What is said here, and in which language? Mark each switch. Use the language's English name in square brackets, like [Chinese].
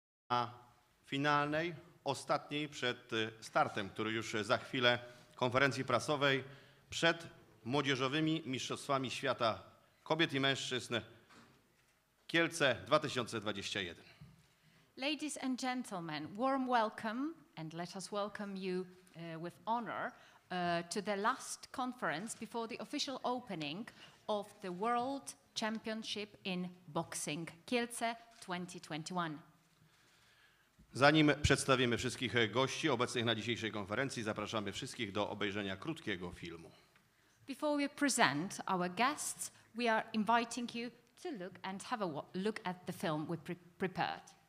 [Polish] na finalnej, ostatniej przed startem, który już za chwilę, konferencji prasowej przed młodzieżowymi mistrzostwami świata kobiet i mężczyzn Kielce 2021. [English] Ladies and gentlemen, warm welcome, and let us welcome you with honor to the last conference before the official opening of the World Championship in Boxing Kielce 2021. [Polish] Zanim przedstawimy wszystkich gości obecnych na dzisiejszej konferencji, zapraszamy wszystkich do obejrzenia krótkiego filmu. [English] Before we present our guests, we are inviting you to look and have a look at the film we prepared.